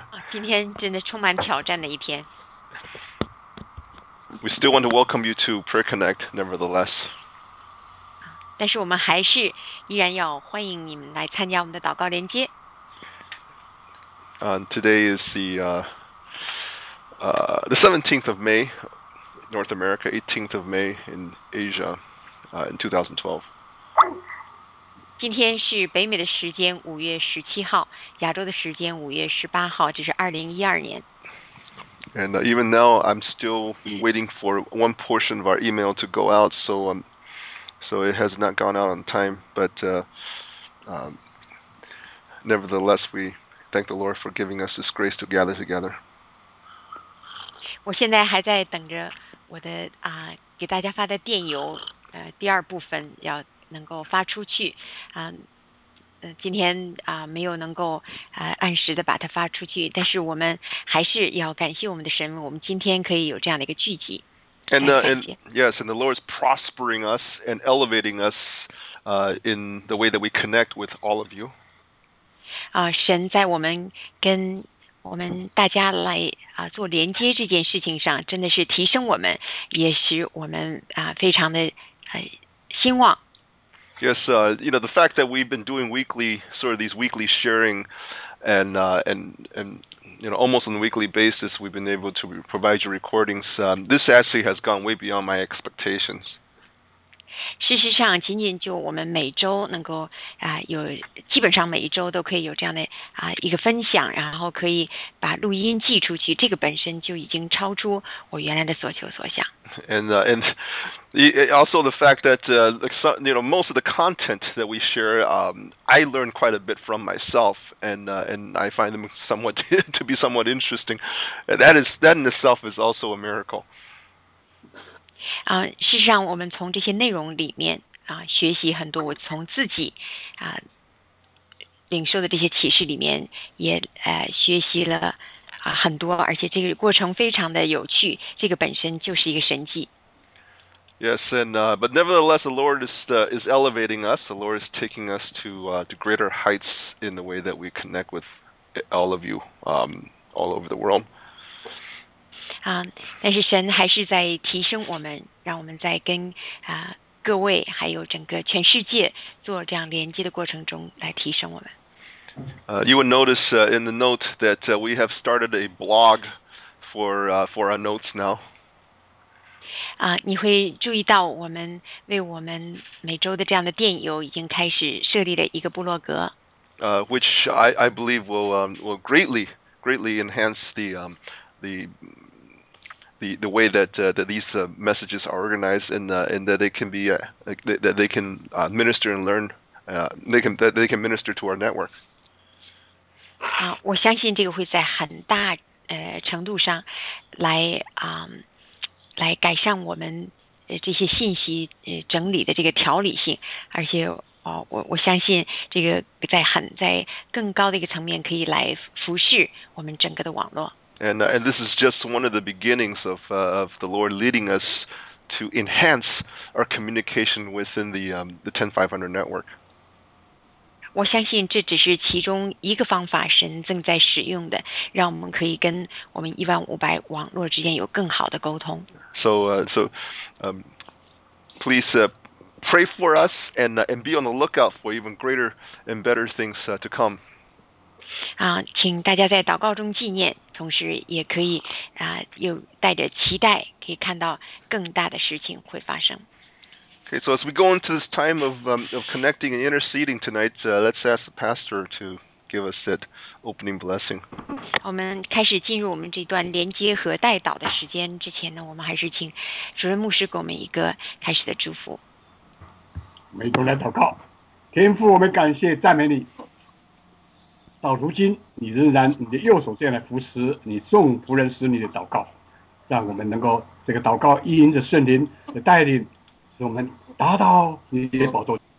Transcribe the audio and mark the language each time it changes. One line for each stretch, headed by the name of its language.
Chinese: 今天真的充满挑战的一天。
English: We still want to welcome you to Prayer Connect, nevertheless.
Chinese: 但是我们还是依然要欢迎你们来参加我们的祷告连接。
English: Today is the 17th of May, North America, 18th of May in Asia, in 2012.
Chinese: 今天是北美的时间5月17号，亚洲的时间5月18号，这是2012年。
English: And even now, I'm still waiting for one portion of our email to go out, so it has not gone out on time. But nevertheless, we thank the Lord for giving us this grace to gather together.
Chinese: 我现在还在等着我的给大家发的电邮，第二部分要。能够发出去，今天没有能够按时的把它发出去，但是我们还是要感谢我们的神，我们今天可以有这样的一个聚集，
English: And,
Chinese: 感
English: and
Chinese: 谢。
English: yes, and the Lord is prospering us and elevating us in the way that we connect with all of you.
Chinese: 神在我们跟我们大家来做连接这件事情上，真的是提升我们，也使我们非常的兴旺。
English: Yes, the fact that we've been doing weekly, sort of these weekly sharing, and almost on a weekly basis, we've been able to provide you recordings. This actually has gone way beyond my expectations.
Chinese: 事实上，仅仅就我们每周能够有基本上每一周都可以有这样的一个分享，然后可以把录音寄出去，这个本身就已经超出我原来的所求所想。
English: And also the fact that most of the content that we share, I learn quite a bit from myself, and I find them somewhat to be somewhat interesting. That in itself is also a miracle.
Chinese: 事实上，我们从这些内容里面学习很多。我从自己领受的这些启示里面也学习了很多，而且这个过程非常的有趣。这个本身就是一个神迹。
English: Yes, but nevertheless, the Lord is elevating us. The Lord is taking us to greater heights in the way that we connect with all of you, all over the world.
Chinese: 但是神还是在提升我们，让我们在跟各位还有整个全世界做这样连接的过程中来提升我们。
English: You will notice in the note that we have started a blog for our notes now.
Chinese: 你会注意到我们为我们每周的这样的电邮已经开始设立了一个部落格。
English: Which I believe will greatly enhance the way that these messages are organized and that they can be that they can minister and learn that they can minister to our network.
Chinese: 我相信这个会在很大程度上来来改善我们这些信息整理的这个条理性，而且我相信这个在更高的一个层面可以来服侍我们整个的网络。
English: And this is just one of the beginnings of the Lord leading us to enhance our communication within the 10500 network.
Chinese: 我相信这只是其中一个方法，神正在使用的，让我们可以跟我们15000网络之间有更好的沟通。
English: So, please pray for us and be on the lookout for even greater and better things to come.
Chinese: 请大家在祷告中纪念，同时也可以又带着期待，可以看到更大的事情会发生。
English: Okay, so as we go into this time of connecting and interceding tonight, let's ask the pastor to give us that opening blessing.
Chinese: 我们开始进入我们这段连接和代祷的时间之前呢，我们还是请主任牧师给我们一个开始的祝福。每周来祷告，天父，我们感谢赞美你。到如今，你仍然你的右手这样来扶持你众仆人使你的祷告，让我们能够这个祷告依循着圣灵的带领，使我们达到你的宝座。